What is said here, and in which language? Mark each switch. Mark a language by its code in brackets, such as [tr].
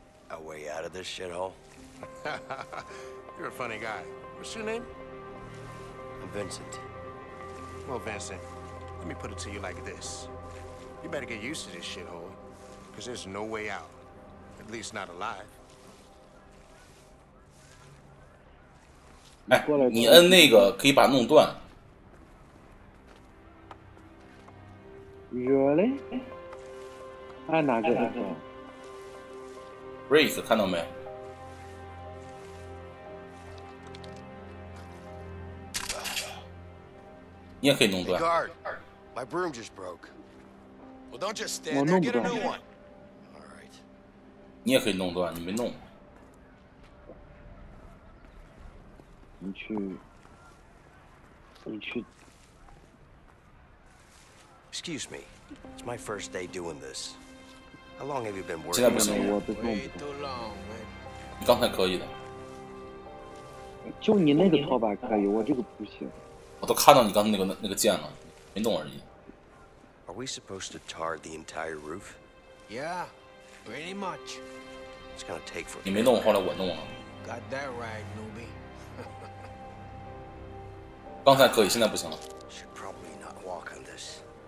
[en] A way out of this shithole? You're a funny guy. What's your name? I'm Vincent. Well, Vincent, let me put it to you like this. You better get used to this shithole, because there's no way out. At least not alive. [zh] 哎，你摁那个可以把弄断。 [en] Really? [zh] 按哪个？Raise， 看到没？你也可以弄断。 [en] Guard, my broom just broke. Well, don't just stand there. Get a new one. All right. [zh] 你也可以弄断，你没弄。你去。 [en] Excuse me. It's my first day doing this. How long have you been working? [zh] 现在不行，我的弄不动。你刚才可以的。就你那个套板可以，我这个不行。我都看到你刚才那个键了，没动而已。 [en] Are we supposed to tar the entire roof? Yeah, pretty much. It's gonna take forever. [zh] 你没弄，后来我弄了。 [en] Got that right, newbie. [zh] 刚才可以，现在不行了。 [en] Should probably not walk on this.